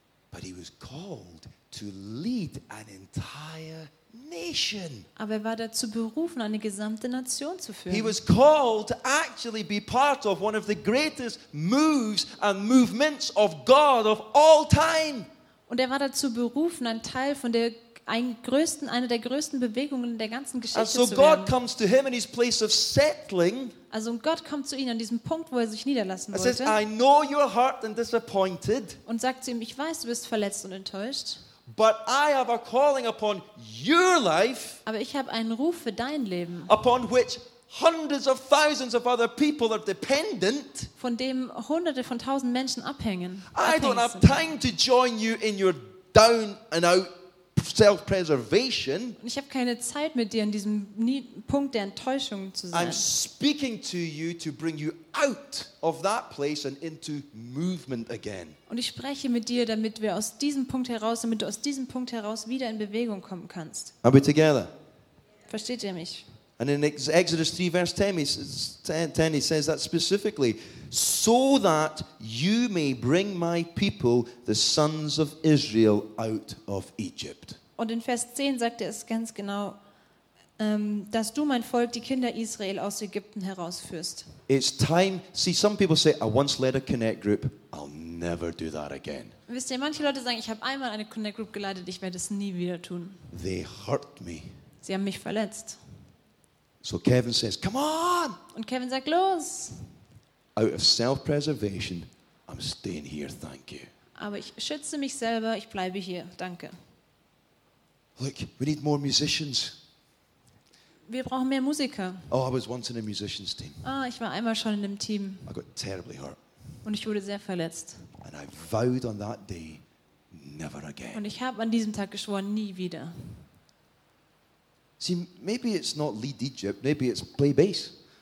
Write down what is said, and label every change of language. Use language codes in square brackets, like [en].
[en] But he was called to lead an entire nation. [de] Aber er war dazu berufen, eine gesamte Nation zu führen. [en] He was called to actually be part of one of the greatest moves and movements of God of all time. [de] Und er war dazu berufen, ein Teil von einer der größten Bewegungen der ganzen Geschichte zu werden. [en] And so God comes to him in his place of settling. [de] Also Gott kommt zu ihm an diesem Punkt, wo er sich niederlassen wollte. [en] Says, I know you're hurt and disappointed. [de] Und sagt zu ihm, ich weiß, du bist verletzt und enttäuscht. [en] But I have a calling upon your life. [de] Aber ich habe einen Ruf für dein Leben. [en] Upon which hundreds of thousands of other people are dependent. [de] Von dem hunderte von tausend Menschen abhängen. [en] I don't have time to join you in your down and out self-preservation. [de] Ich habe keine Zeit mit dir in diesem Punkt der Enttäuschung zu sein. [en] I'm speaking to you to bring you out of that place and into movement again. [de] Und ich spreche mit dir, damit du aus diesem Punkt heraus wieder in Bewegung kommen kannst. [en] Are we together? [de] Versteht ihr mich? [en] And in Exodus 3 verse 10 he says that specifically, so that you may bring my people, the sons of Israel, out of Egypt. [de] Und in Vers 10 sagt er es ganz genau, dass du mein Volk, die Kinder Israel, aus Ägypten herausführst. [en] It's time. See, some people say, I once led a Connect group. I'll never do that again. [de] Wisst ihr, manche Leute sagen, ich habe einmal eine Connect group geleitet, ich werde es nie wieder tun. [en] They hurt me. [de] Sie haben mich verletzt. [en] So Kevin says, come on. [de] Und Kevin sagt, los. [en] Out of self-preservation, I'm staying here. Thank you. [de] Aber ich schütze mich selber. Ich bleibe hier. Danke. [en] Look, we need more musicians. [de] Wir brauchen mehr Musiker. [en] Oh, I was once in a musicians team. [de] Ah, ich war einmal schon in dem Team. [en] I got terribly hurt. [de] Und ich wurde sehr verletzt. [en] And I vowed on that day, never again. [de] Und ich habe an diesem Tag geschworen, nie wieder. [en] See, maybe it's not lead Egypt, maybe it's play bass.